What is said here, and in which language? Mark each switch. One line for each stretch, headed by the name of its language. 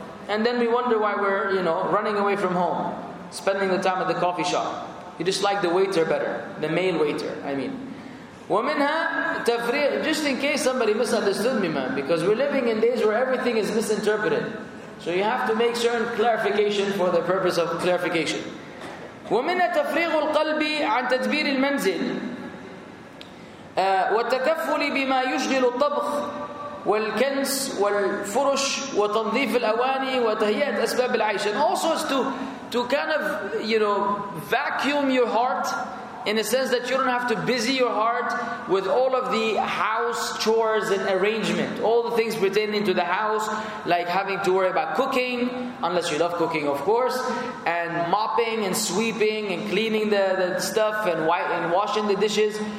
English: And then we wonder why we're, you know, running away from home, spending the time at the coffee shop. You just like the waiter better, the male waiter, I mean.
Arabic: وَمِنْهَا تَفْرِيقٌ.
English: Just in case somebody misunderstood me, man, because we're living in days where everything is misinterpreted. So you have to make certain clarification for the purpose of clarification.
Arabic: وَمِنَ تَفْرِيغُ الْقَلْبِ عَنْ تَدْبِيرِ الْمَنْزِلِ وَالتَّكَفُّلِ بِمَا يُشْغِلُ الطَّبْخِ والكنس والفرش وتنظيف الأواني وتهيئة أسباب العيش.
English: And also is to kind of, you know, vacuum your heart in a sense that you don't have to busy your heart with all of the house chores and arrangement, all the things pertaining to the house, like having to worry about cooking, unless you love cooking, of course, and mopping and sweeping and cleaning the stuff and washing the dishes.